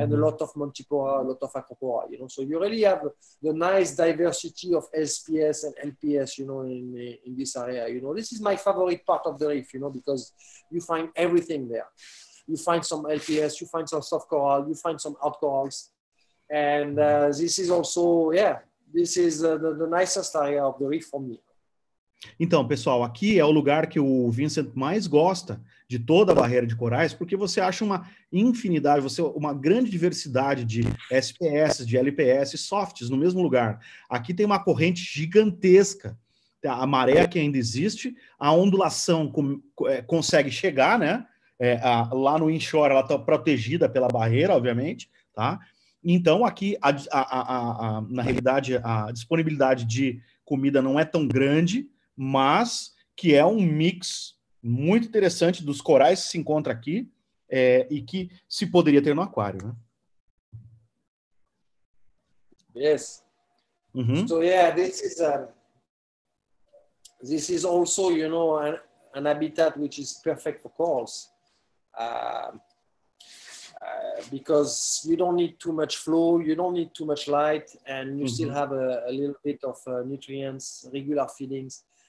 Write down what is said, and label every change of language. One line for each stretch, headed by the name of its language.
English: and a lot of Montipora, a lot of Acropora, you know. So you really have the nice diversity of SPS and LPS, you know, in this area. You know, this is my favorite part of the reef, you know, because you find everything there. You find some LPS, you find some soft coral, you find some hard corals. And this is also, yeah, this is the nicest area of the reef for me.
Portuguese: Então, pessoal, aqui é o lugar que o Vincent mais gosta de toda a barreira de corais, porque você acha uma infinidade, você uma grande diversidade de SPS, de LPS, softs no mesmo lugar. Aqui tem uma corrente gigantesca, a maré que ainda existe, a ondulação consegue chegar, né? Lá no inshore ela está protegida pela barreira, obviamente, tá? Então, aqui, na realidade, a disponibilidade de comida não é tão grande, mas que é um mix muito interessante dos corais que se encontra aqui e que se poderia ter no aquário, né?
English: Yes. Uhum. So yeah, this is also, you know, an habitat which is perfect for corals. Because you don't need too much flow, you don't need too much light, and you mm-hmm. still have a little bit of nutrients, regular feedings.